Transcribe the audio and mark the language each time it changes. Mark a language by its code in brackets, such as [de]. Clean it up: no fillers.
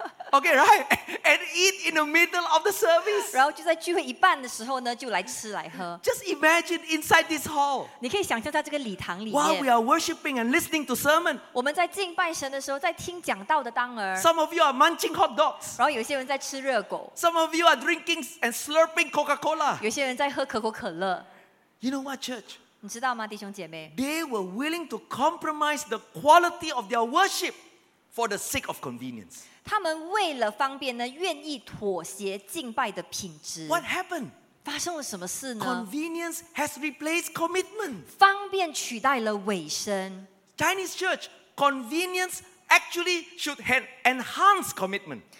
[en] OK, right, and eat in the middle of the service. [zh] 然后就在聚会一半的时候呢，就来吃来喝。 [en] Just imagine inside this hall. [zh] 你可以想象在这个礼堂里面。 [en] While we are worshiping and listening to sermon. [zh] 我们在敬拜神的时候，在听讲道的当儿。 [en] Some of you are munching hot dogs. [zh] 然后有些人在吃热狗。 [en] Some of you are drinking and slurping Coca-Cola. [zh] 有些人在喝可口可乐。 [en] You know what, church? [zh] 你知道吗，弟兄姐妹？ [en] They were willing to compromise the quality of their worship for the sake of convenience. [zh] 他们为了方便呢，愿意妥协敬拜的品质。 [en] What happened? [zh] 发生了什么事呢？ [en] Convenience has replaced commitment. [zh] 方便取代了委身。 [en] Chinese church, convenience actually should enhance commitment.